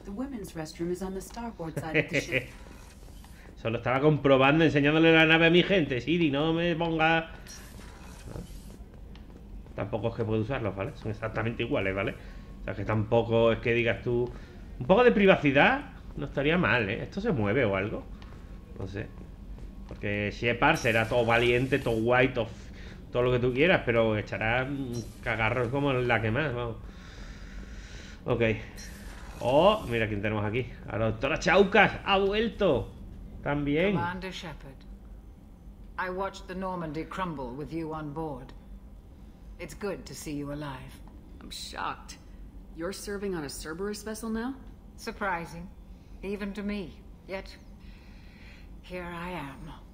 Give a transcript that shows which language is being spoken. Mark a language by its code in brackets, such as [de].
[en] The women's restroom is on the starboard side of the ship. [es] Solo estaba comprobando, enseñándole la nave a mi gente. Siri, no me ponga... Tampoco es que puedo usarlos, ¿vale? Son exactamente iguales, ¿vale? O sea, que tampoco es que digas tú... Un poco de privacidad no estaría mal, ¿eh? ¿Esto se mueve o algo? No sé. Porque Shepard será todo valiente, todo guay, todo lo que tú quieras, pero echará cagarros como la que más, vamos. Ok. Oh, mira quién tenemos aquí. ¡A la doctora Chaukas! ¡Ha vuelto! También. [en] Commander Shepard, I watched the Normandy crumble with you on board. It's good to see you alive. I'm shocked. You're serving on a Cerberus vessel now? Surprising, even to me. Yet, here I am.